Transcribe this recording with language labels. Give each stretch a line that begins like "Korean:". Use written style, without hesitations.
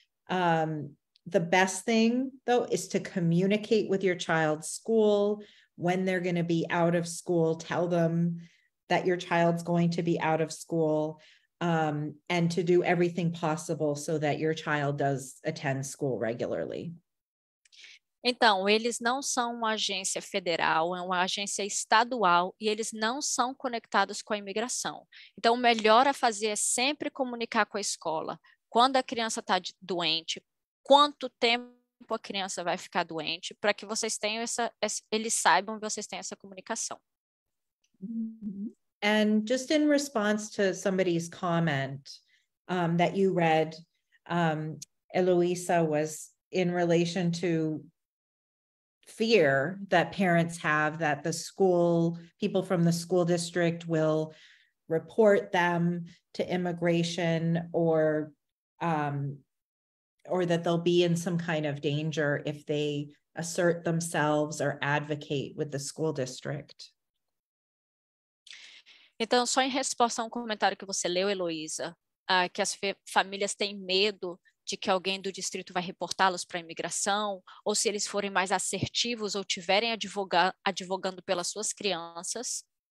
English: The best thing, though, is to communicate with your child's school when they're going to be out of school. Tell them that your child's going to be out of school, and to do everything possible so that your child does attend school regularly.
Portuguese: Então, eles não são uma agência federal, é uma agência estadual, e eles não são conectados com a imigração. Então, o melhor a fazer é sempre comunicar com a escola. Quando a criança está doente, quanto tempo a criança vai ficar doente, para que vocês tenham eles saibam que vocês têm essa comunicação.
English: And just in response to somebody's comment that you read, Eloisa, was in relation to fear that parents have that the school, people from the school district will report them to immigration or that they'll be in some kind of danger if they assert themselves or advocate with the school district.
Portuguese: Então, só em resposta a um comentário que você leu, Heloísa, que as famílias têm medo de que alguém do distrito vai reportá-los para a imigração, ou se eles forem mais assertivos ou tiverem advogando pelas suas crianças.